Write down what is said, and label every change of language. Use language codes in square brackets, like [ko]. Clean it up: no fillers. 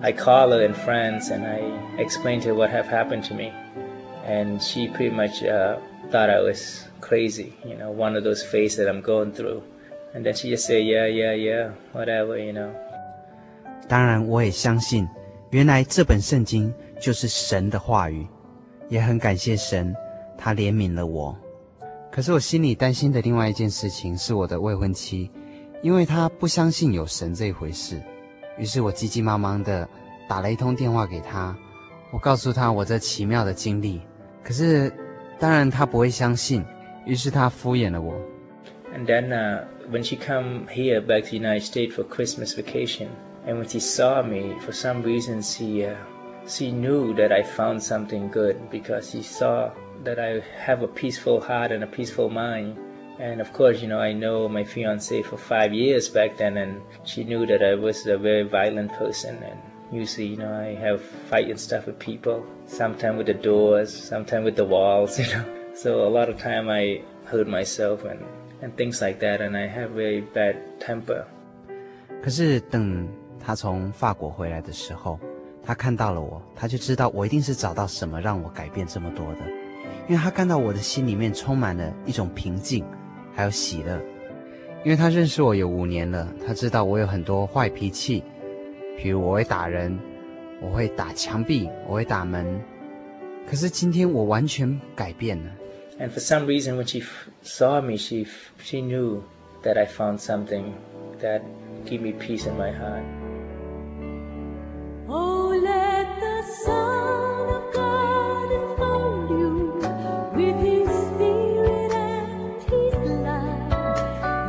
[en] I called her in France and I explained to her what had happened to me. And she pretty much thought I was... crazy, you know, one of those phases that I'm going through. And then she just say, yeah, yeah, yeah, whatever, you know. [zh] 当然我也相信原来这本圣经就是神的话语，也很感谢神他怜悯了我。可是我心里担心的另外一件事情是我的未婚妻，因为她不相信有神这一回事。于是我急急忙忙的打了一通电话给她，我告诉她我这奇妙的经历，可是当然她不会相信，于是他敷衍了我。 [en] And then, when she came here back to the United States for Christmas vacation, and when she saw me, for some reason, she knew that I found something good, because she saw that I have a peaceful heart and a peaceful mind. And of course, you know, I know my fiancé for 5 years back then, and she knew that I was a very violent person. And usually, you know, I have fighting stuff with people, sometimes with the doors, sometimes with the walls, you know. So a lot of time I hurt myself and things like that, and I have very bad temper. [zh] 可是等他从法国回来的时候，他看到了我，他就知道我一定是找到什么让我改变这么多的，因为他看到我的心里面充满了一种平静，还有喜乐。因为他认识我有5年了，他知道我有很多坏脾气，比如我会打人，我会打墙壁，我会打门。可是今天我完全改变了。 [en] And for some reason, when she saw me, she knew that I found something that gave me peace in my heart. Oh, let the Son of God enfold you with His Spirit and His light.